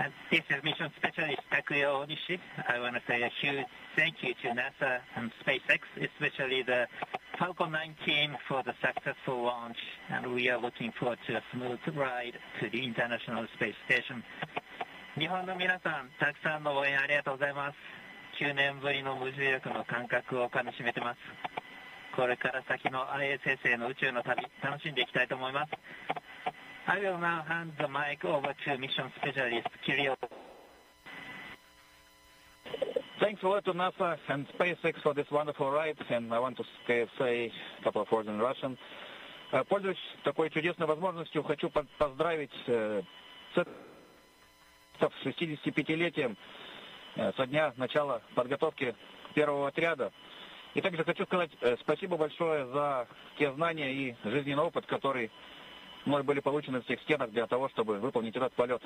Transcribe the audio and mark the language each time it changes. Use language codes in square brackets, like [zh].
[en] This is Mission Specialist Takuya Onishi. I want to say a huge thank you to NASA and SpaceX, especially the Falcon 9 team for the successful launch, and we are looking forward to a smooth ride to the International Space Station. [ja] 日本の皆さん、たくさんの応援ありがとうございます。9年ぶりの無重力の感覚をかみしめてます。これから先の ISS への宇宙の旅、楽しんでいきたいと思います。 [en] I will now hand the mic over to Mission Specialist Kirio. Thanks a lot to NASA and SpaceX for this wonderful ride, and I want to say a couple of words in Russian. [ru] Пользуясь такой чудесной возможностью, хочу поздравить с 65-летием, со дня начала подготовки первого отряда. И также хочу сказать спасибо большое за те знания и жизненный опыт, которые мной были получены в тех стенах для того, чтобы выполнить этот полет.